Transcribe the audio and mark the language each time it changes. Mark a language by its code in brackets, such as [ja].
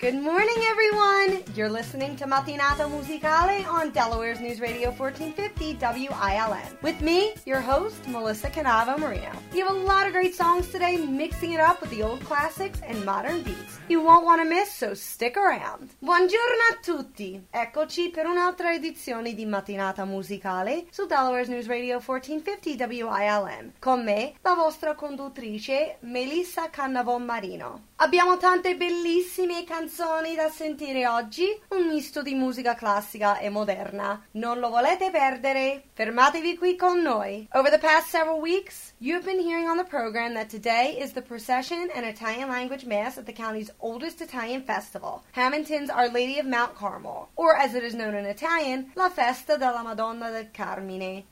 [en] Good morning, everyone. You're listening to Mattinata Musicale on Delaware's News Radio 1450 WILM. With me, your host, Melissa Canavo Marino. You have a lot of great songs today, mixing it up with the old classics and modern beats. You won't want to miss, so stick around. [it] Buongiorno a tutti. Eccoci per un'altra edizione di Mattinata Musicale su Delaware's News Radio 1450 WILM. Con me, la vostra conduttrice, Melissa Canavo Marino. Abbiamo tante bellissime canzoni da sentire oggi, un misto di musica classica e moderna. Non lo volete perdere? Fermatevi qui con noi. [en] Over the past several weeks, you have been hearing on the program that today is the procession and Italian language mass at the county's oldest Italian festival, Hamilton's Our Lady of Mount Carmel, or as it is known in Italian, La Festa della Madonna del Carmine.